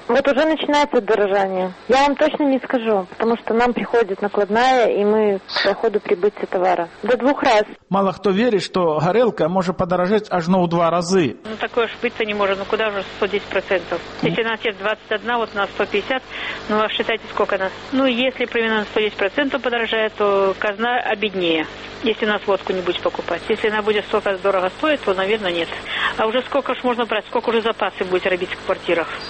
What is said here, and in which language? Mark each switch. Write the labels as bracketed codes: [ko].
[ru] Вот уже начинается подорожание. Я вам точно не скажу, потому что нам приходит накладная, и мы по ходу прибытия товара. До двух раз. [be] Мало хто верыць, што гарэлка можа падаражаць ажно ў два разы. [ru] Ну, такое ж быць не можа. Ну, куда ж 110%? Если у нас есть 21, вот у нас 150, ну, а считайте, сколько нас. Ну, если примерно 110% подорожает, то казна обеднее, если у нас водку не будет покупать. Если она будет столько дорого стоить, то, наверное, нет. А уже сколько ж можно брать, сколько уже запасы будет робить в квартирах?